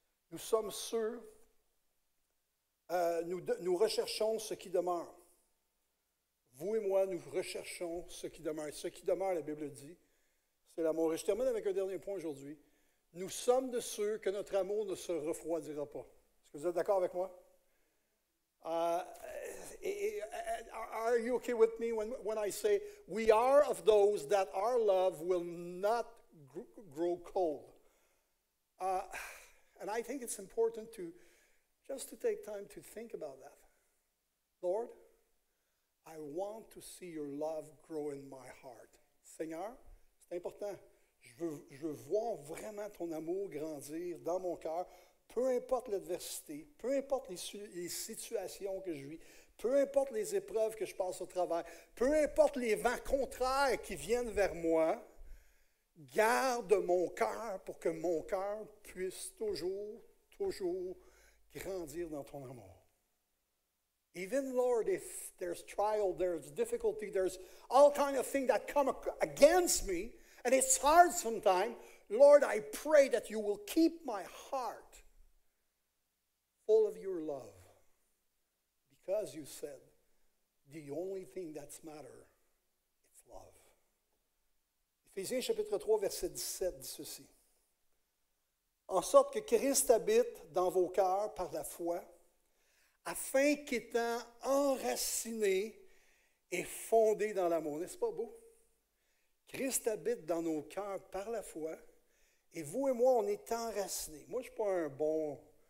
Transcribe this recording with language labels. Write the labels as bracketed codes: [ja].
[fr] Nous sommes ceux, nous recherchons ce qui demeure. Vous et moi, nous recherchons ce qui demeure. Ce qui demeure, la Bible dit, c'est l'amour. Et je termine avec un dernier point aujourd'hui. Nous sommes de ceux que notre amour ne se refroidira pas. Est-ce que vous êtes d'accord avec moi? [en] Are you okay with me when I say we are of those that our love will not grow cold? And I think it's important to just to take time to think about that. Lord, I want to see your love grow in my heart. [fr] Seigneur, c'est important. Je veux voir vraiment ton amour grandir dans mon cœur, peu importe l'adversité, peu importe les situations que je vis. Peu importe les épreuves que je passe au travail, peu importe les vents contraires qui viennent vers moi, garde mon cœur pour que mon cœur puisse toujours, toujours grandir dans ton amour. [en] Even Lord, if there's trial, there's difficulty, there's all kind of things that come against me, and it's hard sometimes, Lord, I pray that you will keep my heart full of your love. As you said, the only thing that's matter is love. [fr] Éphésiens chapitre 3, verset 17 dit ceci. En sorte que Christ habite dans vos cœurs par la foi, afin qu'étant enraciné et fondé dans l'amour. N'est-ce pas beau? Christ habite dans nos cœurs par la foi, et vous et moi, on est enracinés. Moi, je ne suis pas un bon